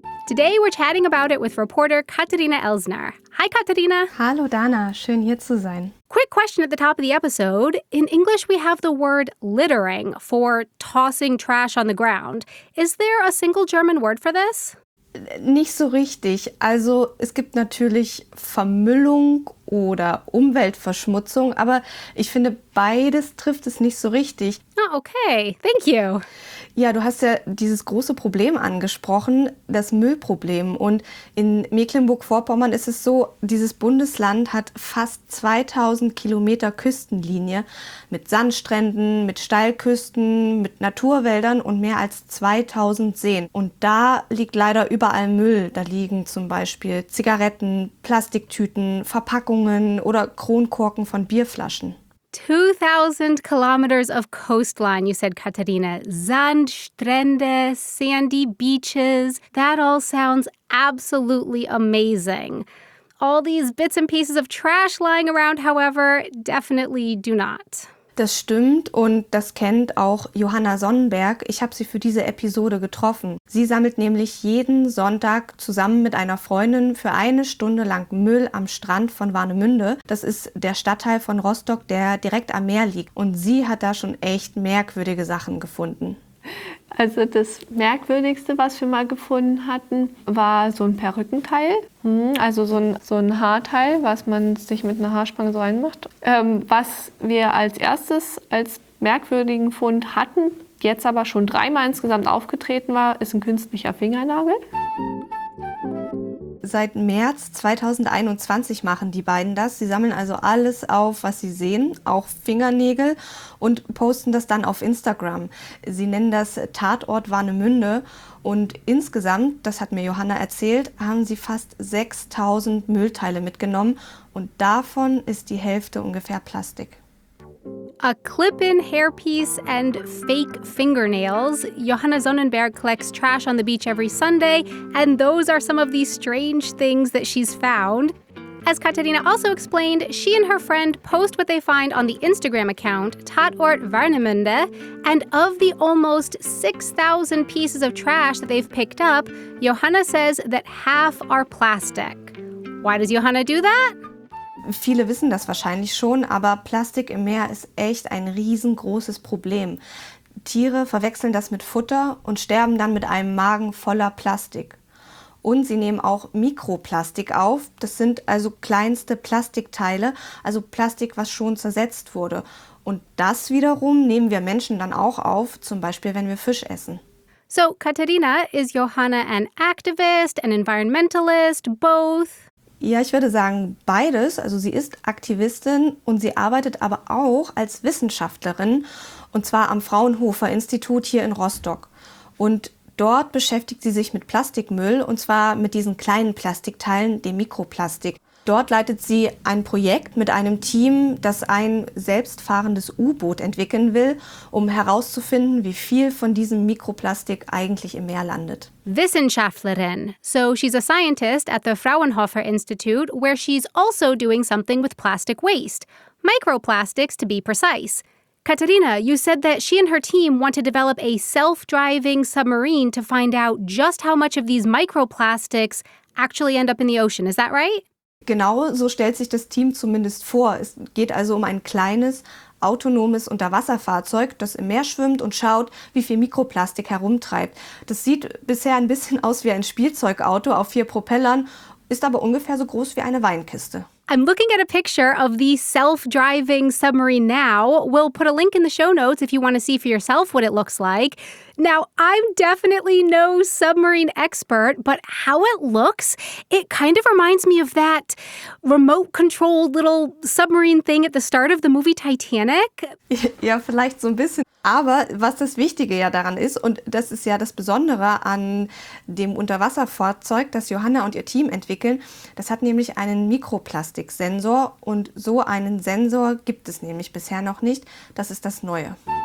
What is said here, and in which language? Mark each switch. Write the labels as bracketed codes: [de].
[en] Today we're chatting about it with reporter Katharina Elsner. Hi, Katharina. [de] Hallo, Dana. Schön, hier zu sein. [en] Quick question at the top of the episode. In English, we have the word littering for tossing trash on the ground. Is there a single German word for this? [de] Nicht so richtig. Also es gibt natürlich Vermüllung oder Umweltverschmutzung, aber ich finde, beides trifft es nicht so richtig. [en] Ah, okay. Thank you. [de] Ja, du hast ja dieses große Problem angesprochen, das Müllproblem. Und in Mecklenburg-Vorpommern ist es so, dieses Bundesland hat fast 2000 Kilometer Küstenlinie mit Sandstränden, mit Steilküsten, mit Naturwäldern und mehr als 2000 Seen. Und da liegt leider überall Müll. Da liegen zum Beispiel Zigaretten, Plastiktüten, Verpackungen oder Kronkorken von Bierflaschen. [en] 2000 kilometers of coastline, you said, Katharina. Sandstrände, sandy beaches. That all sounds absolutely amazing. All these bits and pieces of trash lying around, however, definitely do not. [de] Das stimmt und das kennt auch Johanna Sonnenberg. Ich habe sie für diese Episode getroffen. Sie sammelt nämlich jeden Sonntag zusammen mit einer Freundin für eine Stunde lang Müll am Strand von Warnemünde. Das ist der Stadtteil von Rostock, der direkt am Meer liegt. Und sie hat da schon echt merkwürdige Sachen gefunden. Also das Merkwürdigste, was wir mal gefunden hatten, war so ein Perückenteil. Also so ein Haarteil, was man sich mit einer Haarspange so reinmacht. Was wir als erstes als merkwürdigen Fund hatten, jetzt aber schon dreimal insgesamt aufgetreten war, ist ein künstlicher Fingernagel. Seit März 2021 machen die beiden das. Sie sammeln also alles auf, was sie sehen, auch Fingernägel, und posten das dann auf Instagram. Sie nennen das Tatort Warnemünde. Und insgesamt, das hat mir Johanna erzählt, haben sie fast 6000 Müllteile mitgenommen. Und davon ist die Hälfte ungefähr Plastik. [en] A clip-in hairpiece and fake fingernails. Johanna Sonnenberg collects trash on the beach every Sunday, and those are some of the strange things that she's found. As Katharina also explained, she and her friend post what they find on the Instagram account, Tatort Warnemünde, and of the almost 6,000 pieces of trash that they've picked up, Johanna says that half are plastic. Why does Johanna do that? [de] Viele wissen das wahrscheinlich schon, aber Plastik im Meer ist echt ein riesengroßes Problem. Tiere verwechseln das mit Futter und sterben dann mit einem Magen voller Plastik. Und sie nehmen auch Mikroplastik auf. Das sind also kleinste Plastikteile, also Plastik, was schon zersetzt wurde. Und das wiederum nehmen wir Menschen dann auch auf, zum Beispiel, wenn wir Fisch essen. [en] So, Katharina, is Johanna an activist, an environmentalist, both? [de] Ja, ich würde sagen, beides. Also sie ist Aktivistin und sie arbeitet aber auch als Wissenschaftlerin, und zwar am Fraunhofer Institut hier in Rostock. Und dort beschäftigt sie sich mit Plastikmüll, und zwar mit diesen kleinen Plastikteilen, dem Mikroplastik. Dort leitet sie ein Projekt mit einem Team, das ein selbstfahrendes U-Boot entwickeln will, um herauszufinden, wie viel von diesem Mikroplastik eigentlich im Meer landet. Wissenschaftlerin. [en] So she's a scientist at the Fraunhofer Institute, where she's also doing something with plastic waste. microplastics to be precise. Katarina, you said that she and her team want to develop a self-driving submarine to find out just how much of these microplastics actually end up in the ocean. Is that right? [de] Genau so stellt sich das Team zumindest vor. Es geht also um ein kleines, autonomes Unterwasserfahrzeug, das im Meer schwimmt und schaut, wie viel Mikroplastik herumtreibt. Das sieht bisher ein bisschen aus wie ein Spielzeugauto auf vier Propellern, ist aber ungefähr so groß wie eine Weinkiste. [en] I'm looking at a picture of the self-driving submarine now. We'll put a link in the show notes if you want to see for yourself what it looks like. Now, I'm definitely no submarine expert, but how it looks, it kind of reminds me of that remote-controlled little submarine thing at the start of the movie Titanic. [de] Ja, vielleicht so ein bisschen. Aber was das Wichtige ja daran ist, und das ist ja das Besondere an dem Unterwasserfahrzeug, das Johanna und ihr Team entwickeln, das hat nämlich einen Mikroplastiksensor. Und so einen Sensor gibt es nämlich bisher noch nicht. Das ist das Neue.